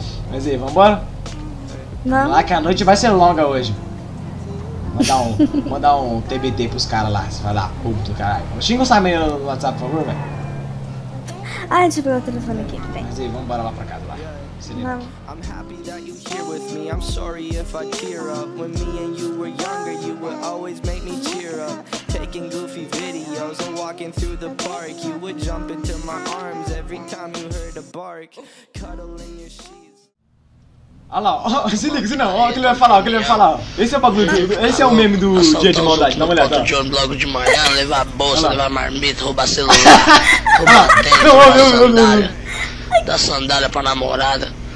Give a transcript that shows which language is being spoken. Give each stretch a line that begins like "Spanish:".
Portuguese: Mas aí, vambora? Vamos lá que a noite vai ser longa hoje. Mandar um TBT pros caras lá. Você vai lá, puto, caralho. Xinga o Simon no WhatsApp, por favor, velho. Ah, deixa eu pegar o telefone aqui, vem. Mas aí, vambora lá pra casa, lá.
English: I'm happy that you're here with me. I'm sorry if I tear up. When me and you were younger, you would always make me cheer up. Taking goofy videos and walking through the park. You would jump into my arms every time you heard a bark. Cuddling your sheets.
Portuguese: Olha lá, se liga, se não, olha o que ele vai falar, Esse é o bagulho, esse é o meme do dia de maldade, dá uma olhada. Eu de logo de manhã, levar bolsa, levar marmita, roubar celular, roubar tênis. Dá sandália pra namorada.